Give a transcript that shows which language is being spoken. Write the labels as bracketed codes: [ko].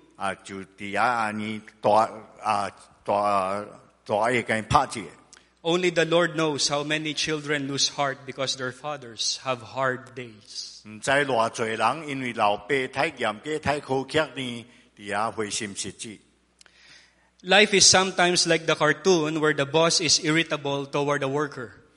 [en] Only the Lord knows how many children lose heart because their fathers have hard days. [nan] 唔知偌济人因为老爸太严格、太苛刻呢，底下灰心失志。 [en] Life is sometimes like the cartoon where the boss is irritable toward the worker.